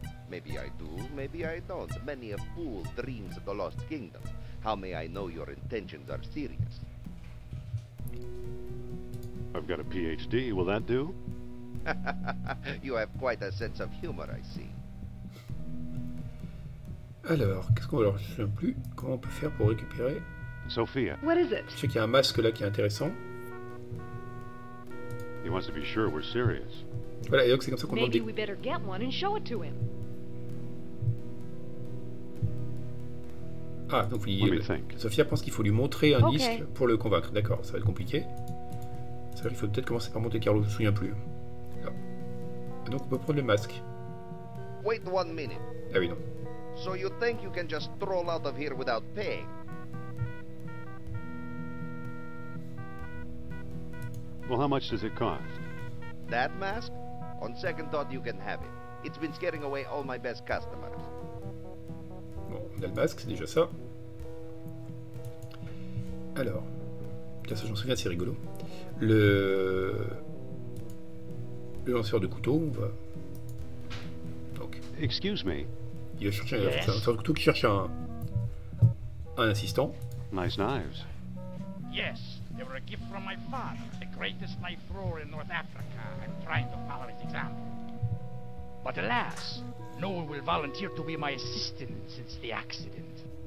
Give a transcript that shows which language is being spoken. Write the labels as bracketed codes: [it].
[en] Maybe I do, maybe I don't. Many a fool dreams of the Lost Kingdom. How may I know your intentions are serious? I've got a PhD, will that do? You have quite a sense of humor, I see. [fr] Alors, qu'est-ce qu'on va leur faire plus? Comment on peut faire pour récupérer? [en] Sophia. What is it? [fr] Je sais qu'il y a un masque là qui est intéressant. [en] He wants to be sure we're serious. [fr] Voilà, et donc c'est comme ça qu'on [en] maybe we better get one and show it to him. [fr] Ah, donc il, Sophia pense qu'il faut lui montrer un disque pour le convaincre. D'accord, ça va être compliqué. Ça veut dire il faut peut-être commencer par Monte Carlo, je me souviens plus. Ah, donc on peut prendre le masque. [en] Wait one minute. [fr] Ah oui, non. [en] So you think you can just stroll out of here without paying? Well, how much does it cost? That mask? On second thought, you can have it. It's been scaring away all my best customers. [fr] Bon, on a le masque, c'est déjà ça. Alors, ça, j'en souviens, c'est rigolo. Le lanceur de couteau, on va. Donc. [en] Excuse me. [fr] Il va chercher un lanceur de couteau qui cherche un assistant. [en] Nice knives. Yes, they were a gift from my father, the greatest knife thrower in North Africa. Trying to follow his example. But alas, no one will volunteer to be my assistant since the accident.